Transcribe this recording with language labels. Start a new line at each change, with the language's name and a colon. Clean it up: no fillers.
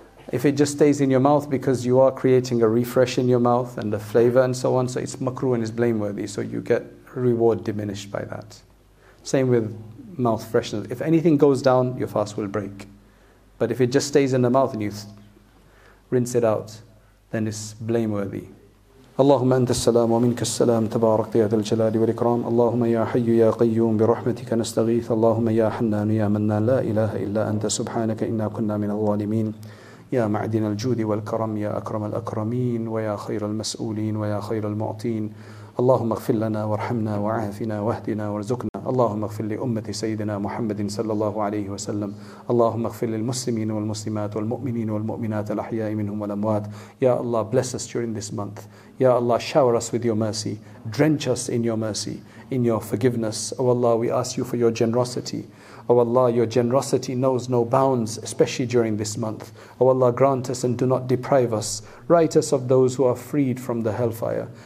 English: If it just stays in your mouth, because you are creating a refresh in your mouth and the flavor and so on, so it's makruh and it's blameworthy, so you get reward diminished by that. Same with mouth freshness. If anything goes down, your fast will break. But if it just stays in the mouth and you rinse it out, then it's blameworthy.
Arabic: اللهم أنت السلام ومنك السلام تبارك يا ذا الجلال والإكرام اللهم يا حي يا قيوم برحمتك نستغيث اللهم يا حنان يا منان لا إله إلا أنت سبحانك إنا كنا من الظالمين يا معدن الجود والكرم يا أكرم الأكرمين ويا خير المسؤولين ويا خير المعطين اللهم اغفر لنا وارحمنا وعافنا واهدنا وارزقنا اللهم اغفر لأمة سيدنا محمد صلى الله عليه وسلم اللهم اغفر للمسلمين والمسلمات والمؤمنين والمؤمنات الأحياء منهم والأموات يا الله
English: bless us during this month.
Arabic: يا الله
English: shower us with your mercy, drench us in your mercy, in your forgiveness. Oh Allah, we ask you for your generosity. Oh Allah, your generosity knows no bounds, especially during this month. Oh Allah, grant us and do not deprive us. Write us of those who are freed from the hellfire.